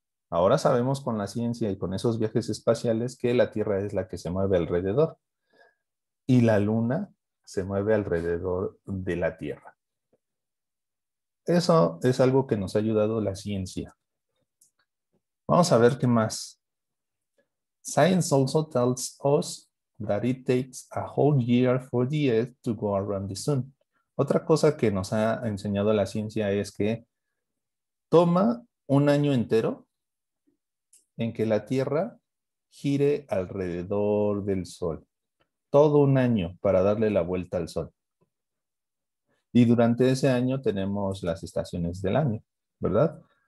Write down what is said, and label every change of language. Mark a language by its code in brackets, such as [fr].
[es] Ahora sabemos con la ciencia y con esos viajes espaciales que la Tierra es la que se mueve alrededor y la Luna se mueve alrededor de la Tierra. Eso es algo que nos ha ayudado la ciencia. Vamos a ver qué más. [en] Science also tells us that it takes a whole year for the Earth to go around the sun. [es] Otra cosa que nos ha enseñado la ciencia es que toma un año entero en que la Tierra gire alrededor del Sol. Todo un año para darle la vuelta al Sol. Y durante ese año tenemos las estaciones del año, ¿verdad?